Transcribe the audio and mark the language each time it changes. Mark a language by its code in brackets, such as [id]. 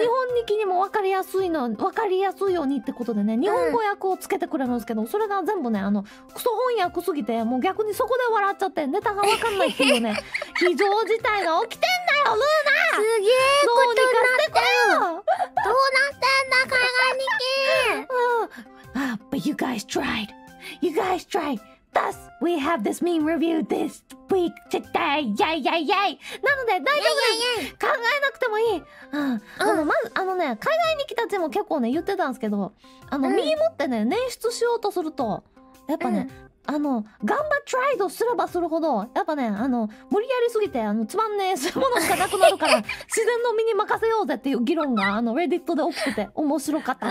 [ja] 日本日記にも分かりやすいの、分かりやすいようにってことでね、日本語訳をつけてくれるんですけど、それが全部ね、クソ翻訳すぎて、もう逆にそこで笑っちゃって、ネタが分かんないっていうね、非常事態が起きてんだよ、ルーナ。すげえ、どうにかしてこよ。どうなってんだ、海外日記。 [en] But you guys tried. You guys tried. Thus, we have this meme review this week today! Yay, yay, yay! [ja] なので、大丈夫です。 [en] yeah, yeah, yeah. [ja] 考えなくてもいい。まず、ね、海外に来たちも結構ね、言ってたんですけど、ミームってね、捻出しようとすると、やっぱね、あの頑張っ try とすればするほどやっぱね、あの無理やりすぎてあのつまんねえそういうものしかなくなるから自然の身に任せようぜっていう議論があのレディットで起きてて面白かった